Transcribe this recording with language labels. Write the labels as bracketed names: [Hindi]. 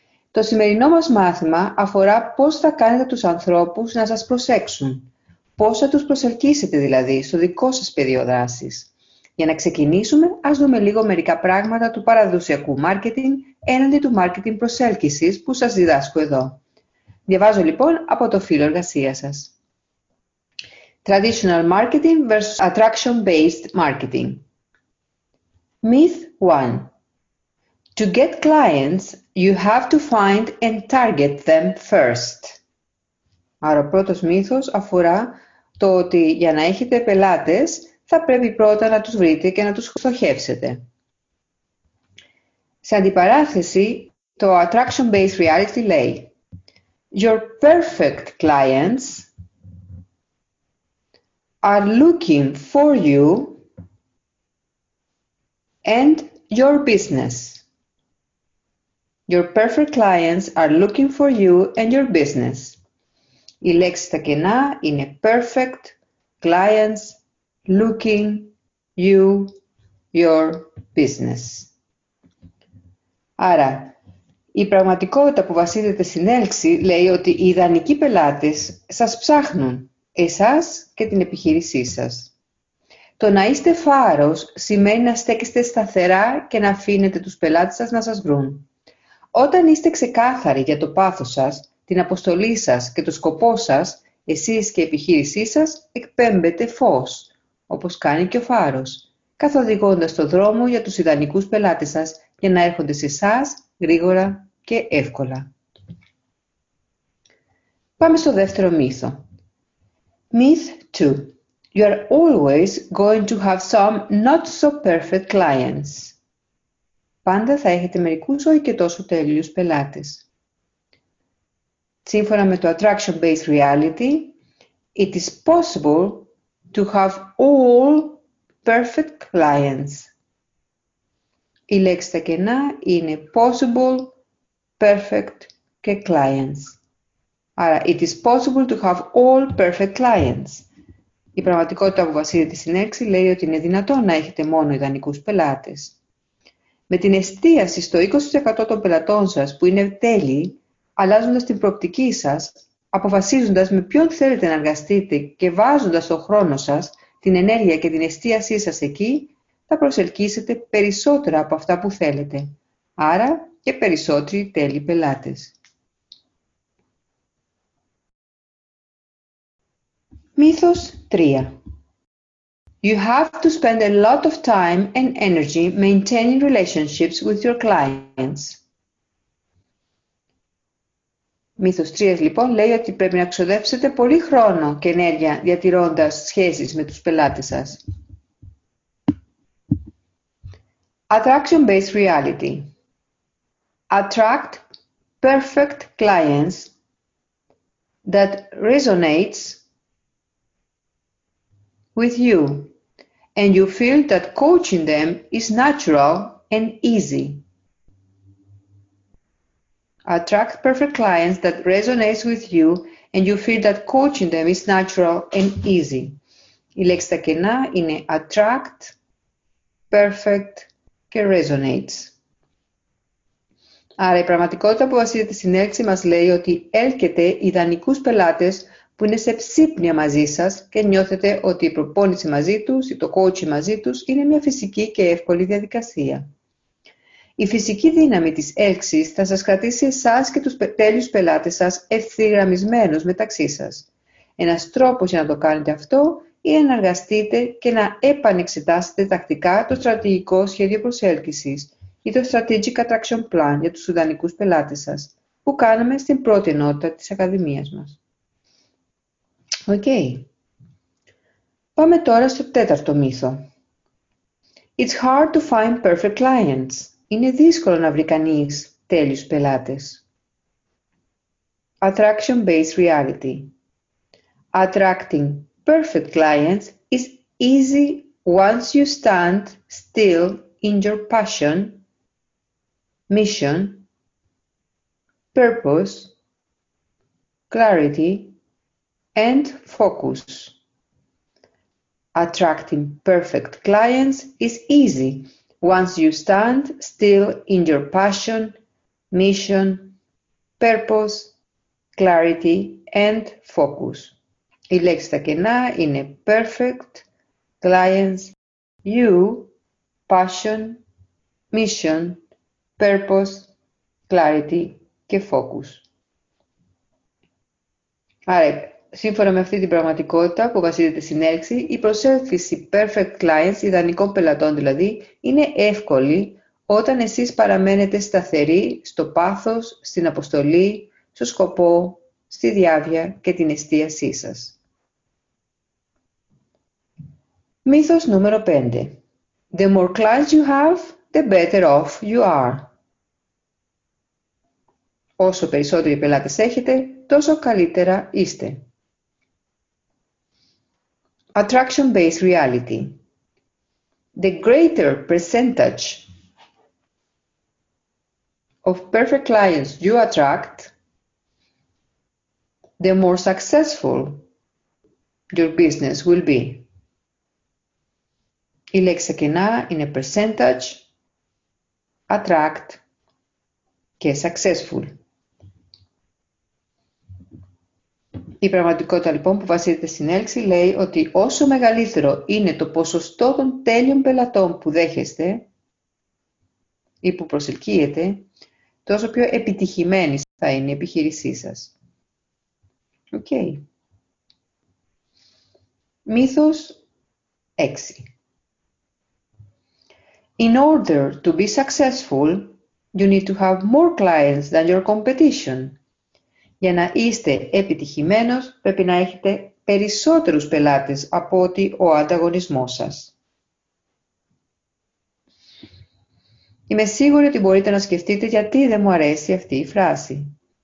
[Greek] Το σημερινό μας μάθημα αφορά πώς θα κάνετε τους ανθρώπους να σας προσέξουν. Πώς θα τους προσελκύσετε δηλαδή στο δικό σας πεδίο δράσης. Για να ξεκινήσουμε, ας δούμε λίγο μερικά πράγματα του παραδοσιακού marketing έναντι του marketing προσέλκυσης που σας διδάσκω εδώ. Διαβάζω λοιπόν από το φύλλο εργασίας σας. [English] Traditional marketing versus attraction-based marketing. Myth 1. To get clients, you have to find and target them first. [Greek] Άρα ο πρώτος μύθος αφορά το ότι για να έχετε πελάτες, θα πρέπει πρώτα να τους βρείτε και να τους στοχεύσετε. Σε αντιπαράθεση, το [English] attraction-based reality [Greek] λέει [English] Your perfect clients are looking for you and your business. Your perfect clients are looking for you and your business. [Greek] Οι λέξεις στα κενά είναι [English] perfect, clients, looking, you, your business. [Greek] Άρα, η πραγματικότητα που βασίζεται στην έλξη λέει ότι οι ιδανικοί πελάτες σας ψάχνουν, εσάς και την επιχείρησή σας. Το να είστε φάρος σημαίνει να στέκεστε σταθερά και να αφήνετε τους πελάτες σας να σας βρουν. Όταν είστε ξεκάθαροι για το πάθος σας, την αποστολή σας και το σκοπό σας, εσείς και η επιχείρησή σας εκπέμπετε φως, όπως κάνει και ο φάρος, καθοδηγώντας το δρόμο για τους ιδανικούς πελάτες σας για να έρχονται σε εσάς γρήγορα και εύκολα. Πάμε στο δεύτερο μύθο. [English] Myth 2. You are always going to have some not so perfect clients. [Greek] Πάντα θα έχετε μερικούς όχι και τόσο τέλειους πελάτες. Σύμφωνα με το [English] attraction-based reality, it is possible to have all perfect clients. [Greek] Οι λέξεις τα κενά είναι [English] possible, perfect [Greek] και [English] clients. [Greek] Άρα, [English] it is possible to have all perfect clients. [Greek] Η πραγματικότητα που βασίζεται στην έξι λέει ότι είναι δυνατόν να έχετε μόνο ιδανικούς πελάτες. Με την εστίαση στο 20% των πελατών σας που είναι τέλειοι, αλλάζοντας την προοπτική σας, αποφασίζοντας με ποιον θέλετε να εργαστείτε και βάζοντας τον χρόνο σας, την ενέργεια και την εστίασή σας εκεί, θα προσελκύσετε περισσότερα από αυτά που θέλετε, άρα και περισσότεροι τέλειοι πελάτες. Μύθος 3. [English] You have to spend a lot of time and energy maintaining relationships with your clients. [Greek] Μύθος 3 λοιπόν λέει ότι πρέπει να ξοδέψετε πολύ χρόνο και ενέργεια διατηρώντας σχέσεις με τους πελάτες σας. [English] Attraction-based reality. Attract perfect clients that resonates with you and you feel that coaching them is natural and easy. Attract perfect clients that resonates with you and you feel that coaching them is natural and easy. [Greek] Η λέξη στα κενά είναι [English] attract, perfect [Greek] και [English] resonates. [Greek] Άρα η πραγματικότητα που βασίζεται στην έλξη μας λέει ότι έλκετε ιδανικούς πελάτες που είναι σε ψύπνια μαζί σας και νιώθετε ότι η προπόνηση μαζί τους ή το coaching μαζί τους είναι μια φυσική και εύκολη διαδικασία. Η φυσική δύναμη της έλξης θα σας κρατήσει εσάς και τους τέλειους πελάτες σας ευθυγραμμισμένους μεταξύ σας. Ένας τρόπος για να το κάνετε αυτό είναι να εργαστείτε και να επανεξετάσετε τακτικά το στρατηγικό σχέδιο προσέλκυσης ή το [English] Strategic Attraction Plan [Greek] για τους ιδανικούς πελάτες σας, που κάναμε στην πρώτη ενότητα της Ακαδημίας μας. Okay. Πάμε τώρα στο τέταρτο μύθο. [English] It's hard to find perfect clients. [Greek] Είναι δύσκολο να βρει κανείς τέλειους πελάτες. [English] Attraction-based reality. Attracting perfect clients is easy once you stand still in your passion, mission, purpose, clarity, and focus. Attracting perfect clients is easy once you stand still in your passion, mission, purpose, clarity, and focus. [Greek] Η λέξη τα κενά είναι [English] perfect, clients, you, passion, mission, purpose, clarity [Greek] και [English] focus. [Greek] Άρα, σύμφωνα με αυτή την πραγματικότητα που βασίζεται στην έλξη, η προσέλκυση [English] perfect clients, [Greek] ιδανικών πελατών δηλαδή, είναι εύκολη όταν εσείς παραμένετε σταθεροί στο πάθος, στην αποστολή, στο σκοπό, στη διάβια και την εστίασή σας. Μύθος νούμερο 5. [English] The more clients you have, the better off you are. [Greek] Όσο περισσότεροι πελάτες έχετε, τόσο καλύτερα είστε. [English] Attraction-based reality. The greater percentage of perfect clients you attract, the more successful your business will be. [Greek] Η λέξη κενά είναι [English] percentage, attract [Greek] και [English] successful. [Greek] Η πραγματικότητα λοιπόν που βασίζεται στην έλξη λέει ότι όσο μεγαλύτερο είναι το ποσοστό των τέλειων πελατών που δέχεστε ή που προσελκύετε, τόσο πιο επιτυχημένη θα είναι η επιχείρησή σας. Okay. Μύθος 6. [English] In order to be successful, you need to have more clients than your competition. [Greek] Για να είστε επιτυχημένος, πρέπει να έχετε περισσότερους πελάτες από ότι ο ανταγωνισμός σας. Είμαι σίγουρη ότι μπορείτε να σκεφτείτε γιατί δεν μου αρέσει αυτή η φράση.